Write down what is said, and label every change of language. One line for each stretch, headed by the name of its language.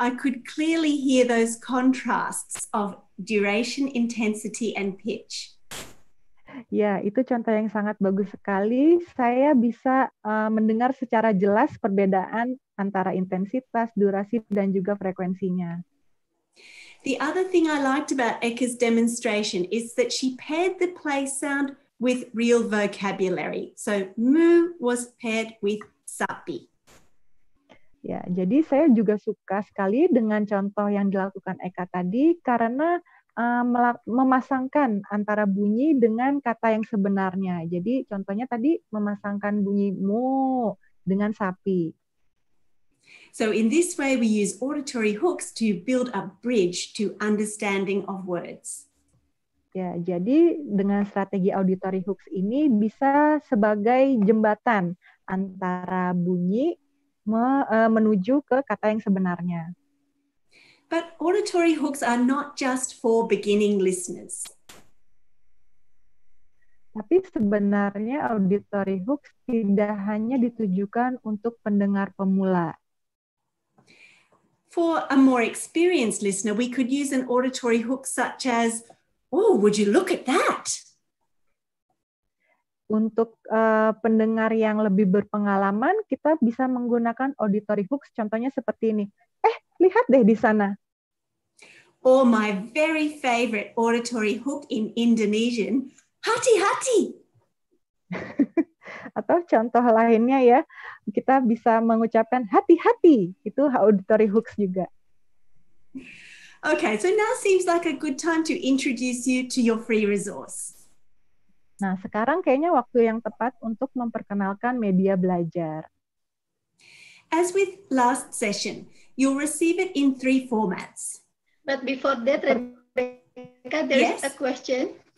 English: I could clearly hear those contrasts of duration, intensity, and pitch.
Indonesian: Ya, itu contoh yang sangat bagus sekali. Saya bisa mendengar secara jelas perbedaan antara intensitas, durasi, dan juga frekuensinya.
English: The other thing I liked about Eka's demonstration is that she paired the play sound with real vocabulary. So, moo was paired with sapi.
Indonesian: Ya, jadi saya juga suka sekali dengan contoh yang dilakukan Eka tadi karena memasangkan antara bunyi dengan kata yang sebenarnya. Jadi contohnya tadi memasangkan bunyi mu dengan sapi.
English: So in this way we use auditory hooks to build a bridge to understanding of words.
Indonesian: Ya, jadi dengan strategi auditory hooks ini bisa sebagai jembatan antara bunyi menuju ke kata yang sebenarnya.
English: But auditory hooks are not just for beginning listeners.
Indonesian: Tapi sebenarnya auditory hooks tidak hanya ditujukan untuk pendengar pemula.
English: For a more experienced listener, we could use an auditory hook such as, oh, would you look at that?
Indonesian: Untuk pendengar yang lebih berpengalaman, kita bisa menggunakan auditory hooks, contohnya seperti ini. Eh, lihat deh di sana.
English: Or my very favorite auditory hook in Indonesian,
Indonesian: hati hati. Atau contoh lainnya ya, kita bisa mengucapkan hati hati, itu auditory hooks juga.
English: Okay, so now seems like a good time to introduce you to your free resource.
Indonesian: Nah, sekarang kayaknya waktu yang tepat untuk memperkenalkan media belajar.
English: As with last session, you'll receive it in three formats. But before that, Rebecca, there is a question.